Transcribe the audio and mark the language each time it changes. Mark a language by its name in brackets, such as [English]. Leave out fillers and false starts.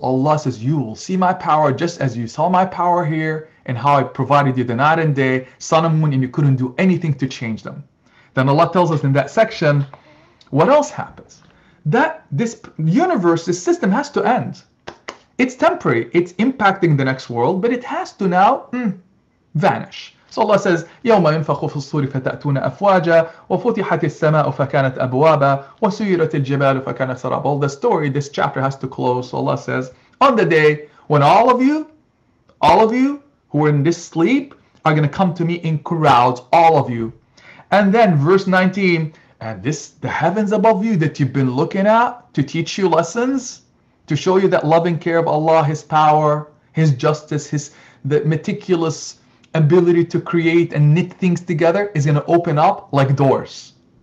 [English] Allah says, you will see my power just as you saw my power here and how I provided you the night and day, sun and moon, and you couldn't do anything to change them. Then Allah tells us in that section, what else happens? That this universe, this system has to end. It's temporary. It's impacting the next world, but it has to now vanish. So Allah says, [Arabic] يَوْمَ يُنْفَخُ فِي الصُّورِ فَتَأْتُونَ أَفْوَاجًا وَفُتِحَتِ السَّمَاءُ فَكَانَتْ أَبْوَابًا وَسُيِّرَتِ الْجِبَالُ فَكَانَتْ سَرَابًا. [English] All the story, this chapter has to close. So Allah says, on the day when all of you who are in this sleep are going to come to me in crowds, all of you. And then verse 19, and this, the heavens above you that you've been looking at to teach you lessons, to show you that loving care of Allah, His power, His justice, the meticulous ability to create and knit things together is going to open up like doors.